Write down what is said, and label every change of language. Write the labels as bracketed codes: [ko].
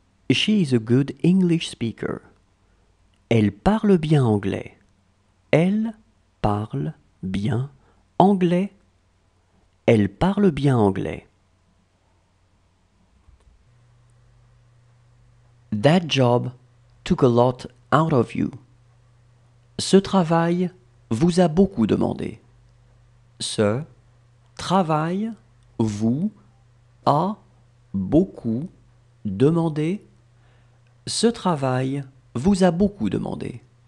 [en] She is a good English speaker. [fr] Elle parle bien anglais. Elle parle bien anglais. Elle parle bien anglais. [en] That job took a lot out of you. [fr] Ce travail vous a beaucoup demandé. Ce travail vous a beaucoup demandé. Ce travail vous a beaucoup demandé.